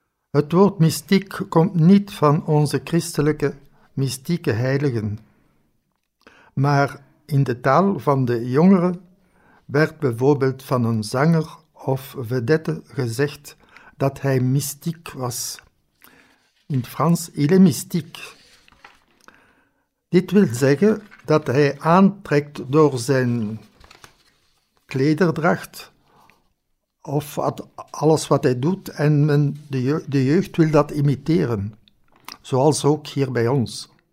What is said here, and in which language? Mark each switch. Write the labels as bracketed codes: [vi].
[nl] Het woord mystiek komt niet van onze christelijke mystieke heiligen. Maar in de taal van de jongeren werd bijvoorbeeld van een zanger of vedette gezegd dat hij mystiek was. In het Frans, [fr] il est mystique. [nl] Dit wil zeggen dat hij aantrekt door zijn klederdracht of alles wat hij doet, en de jeugd wil dat imiteren, zoals ook hier bij ons.